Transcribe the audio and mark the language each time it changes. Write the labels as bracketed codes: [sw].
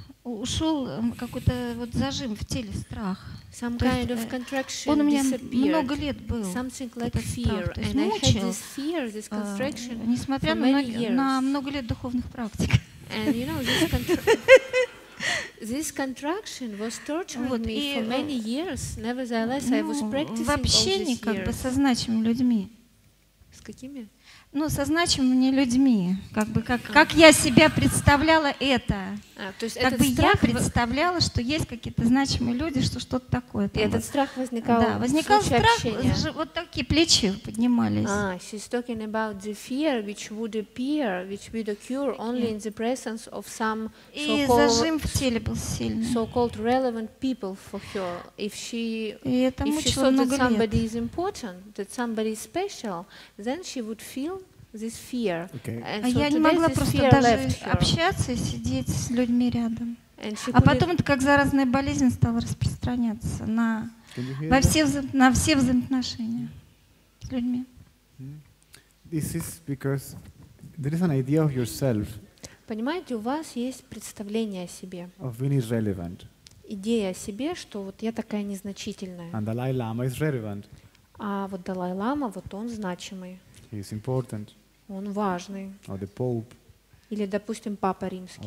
[ru] Ушел какой-то вот зажим в теле, страх. [en] Some kind of contraction [ru] он у меня [en] disappeared. [ru] Много лет был. [en] Something like fear. [ru] То есть мучил, несмотря на много лет духовных практик. [en] And you know, this contraction was torturing вот, me for many years. Nevertheless, I was practicing all these years. [ru] Как бы со значимыми людьми. С какими? Ну, со значимыми людьми. Как бы как я себя представляла это. То есть как бы я представляла, что есть какие-то значимые люди, что что-то такое. И этот страх возникал. Да, возникал страх. Вот такие плечи поднимались. [en] She's talking about the fear which would appear, which would occur only in the presence of some so-called. [ru] И зажим в теле был сильный. [en] So-called relevant people for her. If she thought that somebody is important, that somebody is special, then she would feel. This fear. Okay. And so today this fear left her. [ru] Общаться и сидеть с людьми рядом. А потом это как заразная болезнь стала распространяться на все взаимоотношения с людьми. [en] This is because there is an idea of yourself. [ru] Понимаете, у вас есть представление о себе. [en] Of being irrelevant. [ru] Идея о себе, что вот я такая незначительная. [en] And Dalai Lama is relevant. [ru] А вот Далай Лама, вот он значимый. [en] He is important. [ru] Он важный. [en] Or the Pope. [ru] Или, допустим, Папа Римский.